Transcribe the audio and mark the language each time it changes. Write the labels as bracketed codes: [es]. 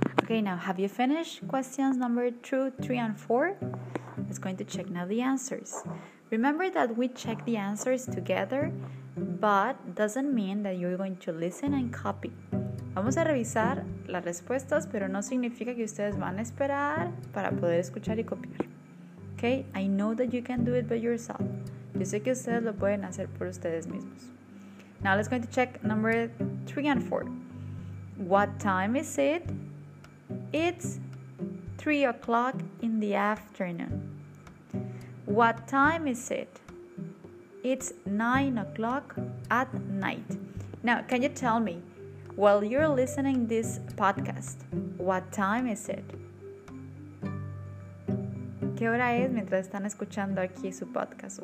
[en] Now, have you finished questions number 2, 3, and 4? Let's going to check now the answers. Remember that we check the answers together, but doesn't mean that you're going to listen and copy. [es] Vamos a revisar las respuestas, pero no significa que ustedes van a esperar para poder escuchar y copiar. [en] Okay? I know that you can do it by yourself. [es] Yo sé que ustedes lo pueden hacer por ustedes mismos. [en] Now, let's going to check number 3 and 4. What time is it? It's 3 o'clock in the afternoon. What time is it? It's 9 o'clock at night. Now, can you tell me, while you're listening this podcast, what time is it? [es] ¿Qué hora es mientras están escuchando aquí su podcast?